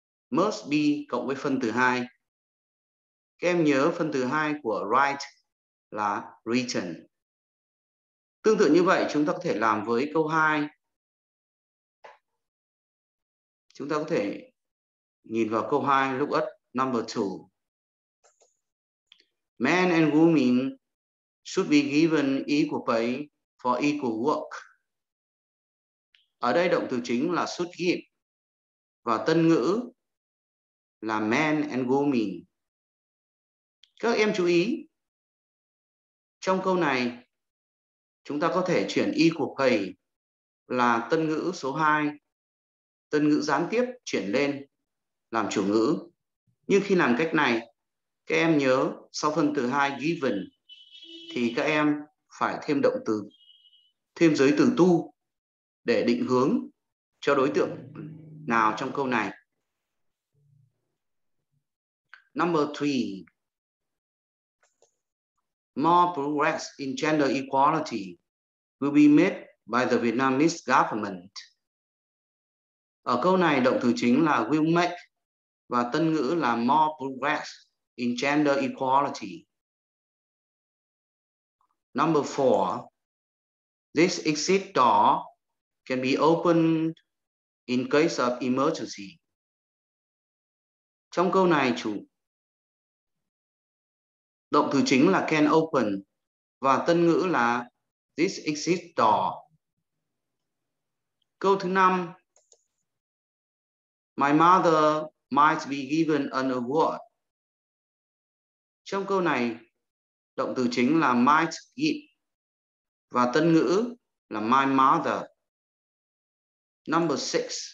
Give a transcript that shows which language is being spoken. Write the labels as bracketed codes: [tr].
[vi] Must be cộng với phân từ 2. Các em nhớ phân từ 2 của write là written. Tương tự như vậy, chúng ta có thể làm với câu 2. Chúng ta có thể nhìn vào câu 2, [en] look at number 2. Men and women should be given equal pay for equal work. [vi] Ở đây động từ chính là should give. Và tân ngữ là [en] men and women. [vi] Các em chú ý, trong câu này, chúng ta có thể chuyển y của thầy là tân ngữ số 2, tân ngữ gián tiếp chuyển lên làm chủ ngữ. Nhưng khi làm cách này, các em nhớ sau phần từ 2 given, thì các em phải thêm động từ, thêm giới từ to để định hướng cho đối tượng nào trong câu này. [en] Number 3. More progress in gender equality will be made by the Vietnamese government. [vi] Ở câu này động từ chính là will make và tân ngữ là [en] more progress in gender equality. Number 4. This exit door can be opened in case of emergency. [vi] Trong câu này chủ động từ chính là can open và tân ngữ là [en] this exit door. [vi] Câu thứ 5. [en] My mother might be given an award. [vi] Trong câu này động từ chính là might give và tân ngữ là my mother. [en] Number 6.